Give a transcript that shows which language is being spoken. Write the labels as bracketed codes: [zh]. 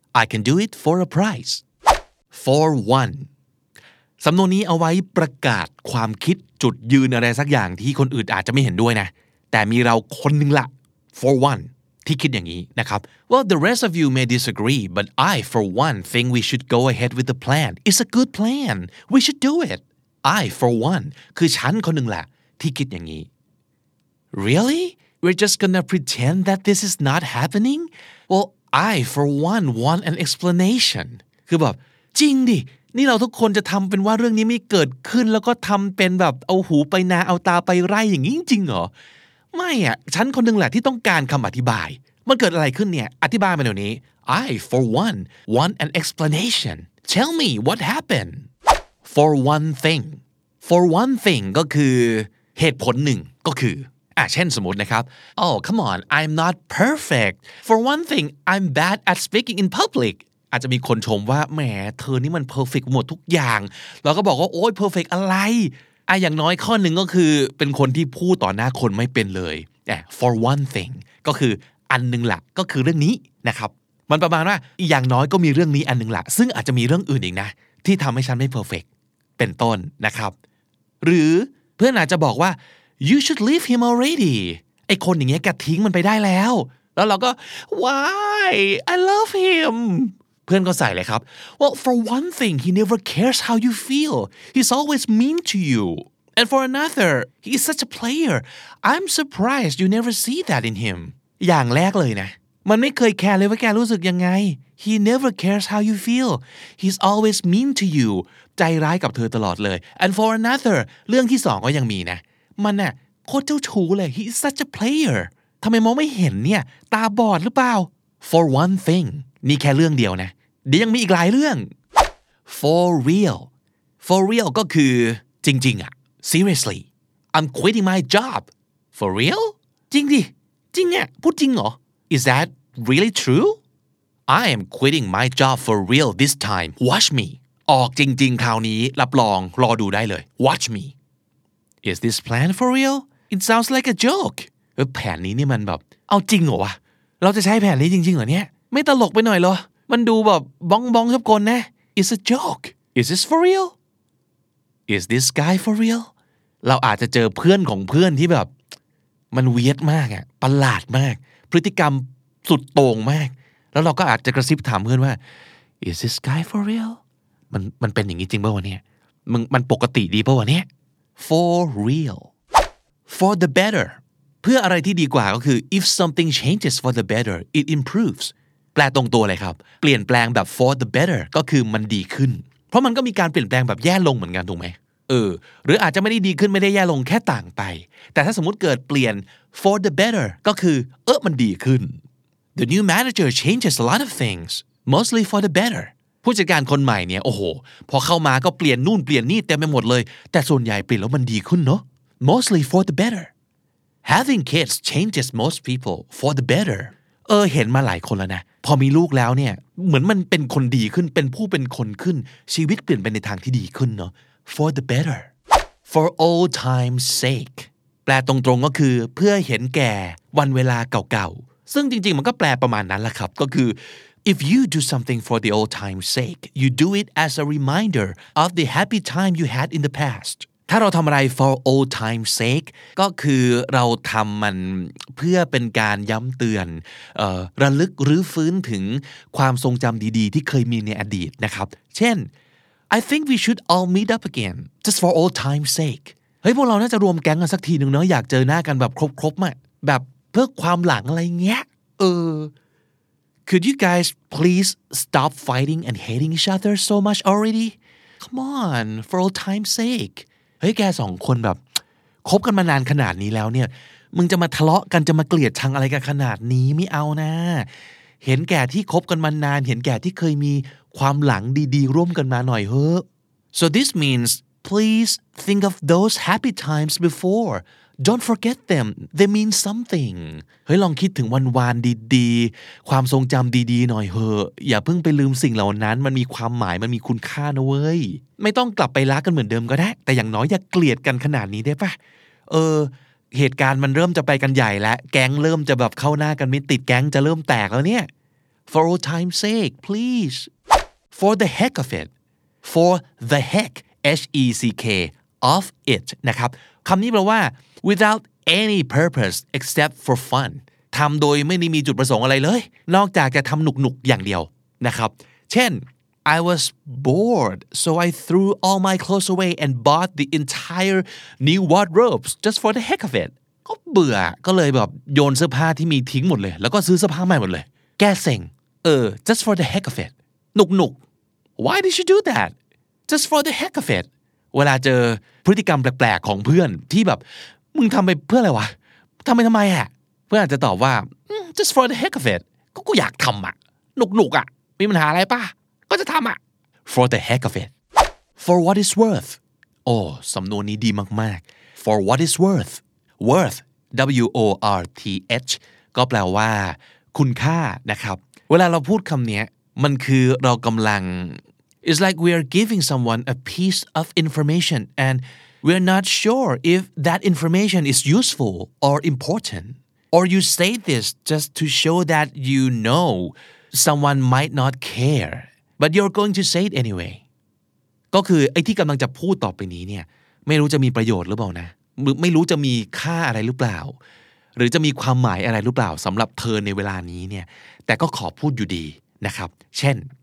[en] I can do it for a price. For one. [th] สำนวนนี้เอาไว้ประกาศความคิดจุดยืนอะไรสักอย่างที่คนอื่นอาจจะไม่เห็นด้วยนะแต่มีเราคนหนึ่งละ [en] for one [th] ที่คิดอย่างนี้นะครับ [en] Well, the rest of you may disagree, but I, for one, think we should go ahead with the plan. It's a good plan. We should do it. I, for one, [th] คือฉันคนหนึ่งละที่คิดอย่างนี้ [en] Really? We're just gonna pretend that this is not happening? Well, I, for one, want an explanation. [th] คือแบบจริงดินี่เราทุกคนจะทำเป็นว่าเรื่องนี้ไม่เกิดขึ้นแล้วก็ทำเป็นแบบเอาหูไปนาเอาตาไปไร่อย่างนี้จริงเหรอไม่อ่ะฉันคนหนึ่งแหละที่ต้องการคำอธิบายมันเกิดอะไรขึ้นเนี่ยอธิบายมาเดี๋ยวนี้ [en] I, for one, want an explanation. Tell me what happened. For one thing. For one thing [th] ก็คือ เหตุผลหนึ่งก็คือเช่นสมมตินะครับ [en] Oh come on I'm not perfect for one thing I'm bad at speaking in public [th] อาจจะมีคนชมว่าแหมเธอนี่มันเพอร์เฟกต์หมดทุกอย่างแล้วก็บอกว่าโอ๊ยเพอร์เฟกต์อะไรอย่างน้อยข้อหนึ่งก็คือเป็นคนที่พูดต่อหน้าคนไม่เป็นเลย [en] for one thing [th] ก็คืออันนึงแหละก็คือเรื่องนี้นะครับมันประมาณว่าอย่างน้อยก็มีเรื่องนี้อันนึงแหละซึ่งอาจจะมีเรื่องอื่นอีกนะที่ทำให้ฉันไม่เพอร์เฟกต์เป็นต้นนะครับหรือเพื่อนอาจจะบอกว่า [en] You should leave him already. [th] ไอคนอย่างเงี้ยแกทิ้งมันไปได้แล้วแล้วเราก็ [en] Why? I love him. [th] เพื่อนก็ใส่เลยครับ [en] Well, for one thing, he never cares how you feel. He's always mean to you. And for another, he's such a player. I'm surprised you never see that in him. [th] อย่างแรกเลยนะมันไม่เคยแคร์เลยว่าแกรู้สึกยังไง [en] He never cares how you feel. He's always mean to you. [th] ใจร้ายกับเธอตลอดเลย [en] And for another, [th] เรื่องที่สองก็ยังมีนะมันน่ะโคตรเจ้าชู้เลย [en] He's such a player [th] ทำไมมองไม่เห็นเนี่ยตาบอดหรือเปล่า [en] For one thing [th] นี่แค่เรื่องเดียวนะเดี๋ยวยังมีอีกหลายเรื่อง [en] For real For real [th] ก็คือ จริงๆอ่ะ [en] Seriously I'm quitting my job For real [th] จริงดิจริงอ่ะพูดจริงเหรอ [en] Is that really true I am quitting my job for real this time Watch me [th] ออกจริงๆคราวนี้รับรองรอดูได้เลย [en] Watch meIs this plan for real? It sounds like a joke. [th] แผนนี้นี่มันแบบเอาจริงเหรอวะเราจะใช้แผนนี้จริงๆเหรอเนี่ยไม่ตลกไปหน่อยเหรอมันดูแบบบ้องบ้องชอบกลนะ [en] It's a joke. Is this for real? Is this guy for real? [th] เราอาจจะเจอเพื่อนของเพื่อนที่แบบมันเวียดมากอ่ะประหลาดมากพฤติกรรมสุดโต่งมากแล้วเราก็อาจจะกระซิบถามเพื่อนว่า [en] Is this guy for real? [th] มันเป็นอย่างนี้จริงป่ะวะเนี่ยมันปกติดีป่ะวะเนี่ย [en] For real. For the better. [th] เพื่ออะไรที่ดีกว่าก็คือ [en] if something changes for the better, it improves. [th] แปลตรงตัวเลยครับเปลี่ยนแปลงแบบ [en] for the better [th] ก็คือมันดีขึ้นเพราะมันก็มีการเปลี่ยนแปลงแบบแย่ลงเหมือนกันถูกไหมหรืออาจจะไม่ได้ดีขึ้นไม่ได้แย่ลงแค่ต่างไปแต่ถ้าสมมติเกิดเปลี่ยน for the better ก็คือมันดีขึ้น [en] The new manager changes a lot of things, mostly for the better. [th] ผู้จัดการคนใหม่เนี่ยโอ้โหพอเข้ามาก็เปลี่ยนนู่นเปลี่ยนนี่เต็มไปหมดเลยแต่ส่วนใหญ่เปลี่ยนแล้วมันดีขึ้นเนาะ [en] mostly for the better having kids changes most people for the better [th] เห็นมาหลายคนแล้วนะพอมีลูกแล้วเนี่ยเหมือนมันเป็นคนดีขึ้นเป็นผู้เป็นคนขึ้นชีวิตเปลี่ยนไปในทางที่ดีขึ้นเนาะ [en] for the better for old time's sake [th] แปลตรงๆก็คือเพื่อเห็นแก่วันเวลาเก่าๆซึ่งจริงๆมันก็แปลประมาณนั้นแหละครับก็คือ [en] If you do something for the old time's sake, you do it as a reminder of the happy time you had in the past. [th] ถ้าเราทำอะไร [en] for old time's sake, [th] ก็คือเราทำมันเพื่อเป็นการย้ำเตือนระลึกหรือฟื้นถึงความทรงจำดีๆที่เคยมีในอดีตนะครับเช่น [en] I think we should all meet up again, just for old time's sake. [th] เฮ้ยพวกเราน่าจะรวมแก๊งกันสักทีนึงเนาะอยากเจอหน้ากันแบบครบๆอ่ะแบบเพื่อความหลังอะไรเงี้ย [en] Could you guys please stop fighting and hating each other so much already? Come on, for old time's sake. [th] เฮ้ยแกสองคนแบบคบกันมานานขนาดนี้แล้วเนี่ยมึงจะมาทะเลาะกันจะมาเกลียดชังอะไรกันขนาดนี้ไม่เอานะเห็นแก่ที่คบกันมานานเห็นแก่ที่เคยมี ความหลังดีๆร่วมกันมาหน่อยเฮ้ [en] So this means please think of those happy times before. Don't forget them. They mean something. [th] เฮ้ยลองคิดถึงวันๆดีๆความทรงจำดีๆหน่อยเฮ้ออย่าเพิ่งไปลืมสิ่งเหล่านั้นมันมีความหมายมันมีคุณค่านะเว้ยไม่ต้องกลับไปรักกันเหมือนเดิมก็ได้แต่อย่างน้อยอย่าเกลียดกันขนาดนี้ได้ป่ะเหตุการณ์มันเริ่มจะไปกันใหญ่แล้วแก๊งเริ่มจะแบบเข้าหน้ากันไม่ติดแก๊งจะเริ่มแตกแล้วเนี่ย [en] For old time's sake, please. For the heck of it. For the heck, H-E-C-K, of it. [th] นะครับคำนี้แปลว่า [en] without any purpose except for fun. [th] ทำโดยไม่มีจุดประสงค์อะไรเลยนอกจากจะทำหนุกๆอย่างเดียวนะครับเช่น [en] I was bored, so I threw all my clothes away and bought the entire new wardrobes just for the heck of it. [th] ก็เบื่อก็เลยแบบโยนเสื้อผ้าที่มีทิ้งหมดเลยแล้วก็ซื้อเสื้อผ้าใหม่หมดเลยแก้เซ็ง [en] just for the heck of it. [th] หนุกหนุก [en] Why did you do that? Just for the heck of it. [th] เวลาเจอพฤติกรรมแปลกๆของเพื่อนที่แบบมึงทำไปเพื่ออะไรวะทำไปทำไมอ่ะเพื่อนอาจจะตอบว่า [en] just for the heck of it. [th] กูอยากทำอ่ะหนุกหนุกอ่ะมีปัญหาอะไรปะก็จะทำอ่ะ [en] for the heck of it for what it's worth [th] โอ้สำนวนนี้ดีมาก [en] ๆ for what it's worth [th] worth w o r t h ก็แปลว่าคุณค่านะครับเวลาเราพูดคำนี้มันคือเรากำลัง [en] it's like we are giving someone a piece of information and we are not sure if that information is useful or important or you say this just to show that you know someone might not careBut you're going to say it anyway. [th] ก็คือไอ้ที่กำลังจะพูดต่อไปนี้เนี่ยไม่รู้จะมีประโยชน์หรือเปล่านะไม่รู้จะมีค่าอะไรหรือเปล่าหรือจะมีความหมายอะไรหรือเปล่าสำหรับเธอในเวลานี้เนี่ยแต่ก็ขอพูดอยู่ดีนะครับเช่น